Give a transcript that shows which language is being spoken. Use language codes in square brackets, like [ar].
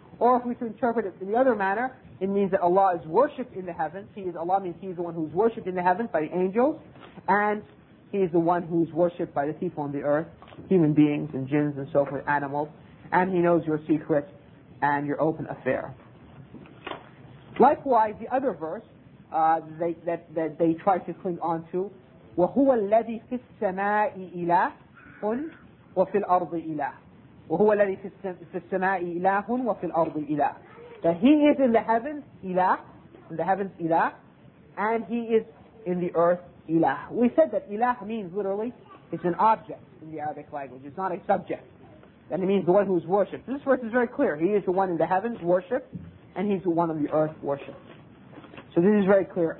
[en] Or if we to interpret it in the other manner, it means that Allah is worshipped in the heavens. He is Allah means he is the one who is worshipped in the heavens by the angels. And he is the one who is worshipped by the people on the earth, human beings and jinns and so forth, animals. And he knows your secret and your open affair. Likewise, the other verse that they try to cling on to, [ar] وَهُوَ الَّذِي فِي السَّمَاءِ إِلَهٌ وَفِي الْأَرْضِ إِلَهٌ وَهُوَ الَّذِي فِي السَّمَاءِ إِلَهٌ وَفِي الْأَرْضِ إِلَهٌ. [en] That he is in the heavens, إِلَه, in the heavens, إِلَه, and he is in the earth, إِلَه. We said that إِلَه means literally, it's an object in the Arabic language, it's not a subject. And it means the one who is worshipped. This verse is very clear. He is the one in the heavens, worshipped, and he's the one on the earth, worshipped. So this is very clear.